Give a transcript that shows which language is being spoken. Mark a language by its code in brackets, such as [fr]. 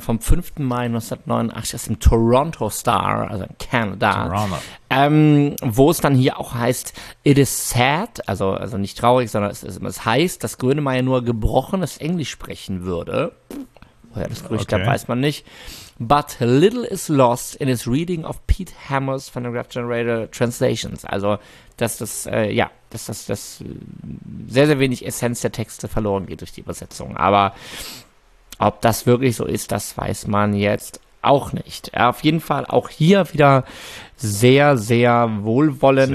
[de] Vom 5. Mai 1989 aus dem Toronto Star, also in Kanada. Toronto. Wo es dann hier auch heißt, [en] it is sad, [de] also nicht traurig, sondern es heißt, dass Grönemeyer nur gebrochenes Englisch sprechen würde. Woher das Gerücht kommt, weiß man nicht. [en] But little is lost in his reading of Pete Hammer's Phonograph Generator Translations. [de] Also, dass das sehr, sehr wenig Essenz der Texte verloren geht durch die Übersetzung. Aber ob das wirklich so ist, das weiß man jetzt auch nicht. Ja, auf jeden Fall auch hier wieder sehr, sehr wohlwollend.